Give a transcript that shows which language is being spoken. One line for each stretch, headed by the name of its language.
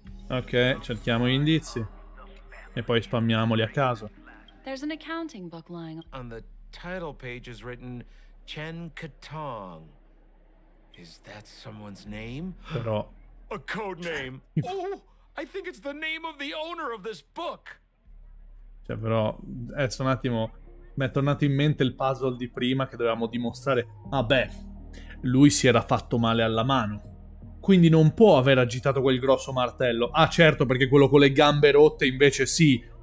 Italian: Ok, cerchiamo gli indizi e poi spammiamoli a caso.
English: There's an accounting book lying on the title page is written Chen Katong. Is that someone's name?
Italian: Però
English: a code name. Oh. I think it's the name of the owner of this book.
Italian: Cioè, però, adesso un attimo, mi è tornato in mente il puzzle di prima che dovevamo dimostrare. Ah beh, lui si era fatto male alla mano. Quindi non può aver agitato quel grosso martello. Ah, certo, perché quello con le gambe rotte invece sì.